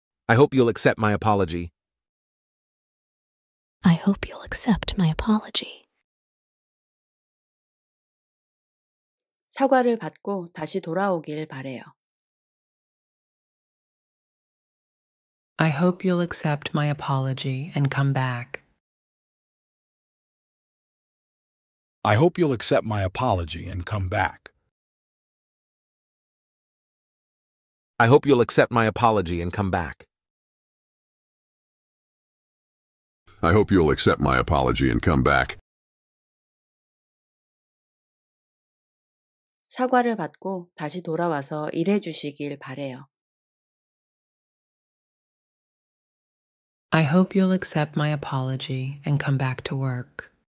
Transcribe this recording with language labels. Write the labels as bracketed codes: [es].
[en] I hope you'll accept my apology. I hope you'll accept my apology. [ko] 사과를 받고 다시 돌아오길 바래요. [en] I hope you'll accept my apology and come back. I hope you'll accept my apology and come back. I hope you'll accept my apology and come back. I hope you'll accept my apology and come back. [ko] 사과를 받고 다시 돌아와서 일해 주시길 바래요. [en] I hope you'll accept my apology and come back to work.